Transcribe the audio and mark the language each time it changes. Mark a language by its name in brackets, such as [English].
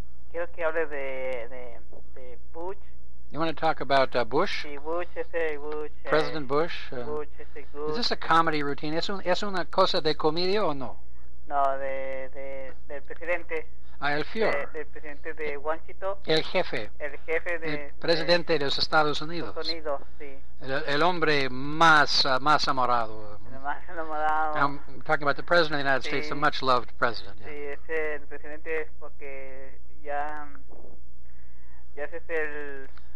[Spanish] Quiero que hable de Butch. [English] You want to talk about Bush? [Spanish] Bush, Bush. [English] President Bush? [Spanish] Bush, Bush. [English] Is this a comedy routine? [Spanish] ¿Es una cosa de comedia o no? No, del presidente. Ah, el Führer. Del presidente de Huanchito. El jefe. El jefe de... El presidente de los Estados Unidos. Estados Unidos, sí. El hombre más amorado. [English] I'm talking about the president of the United States, the much-loved president. [Spanish] Sí, es el presidente porque ya... Ya es el...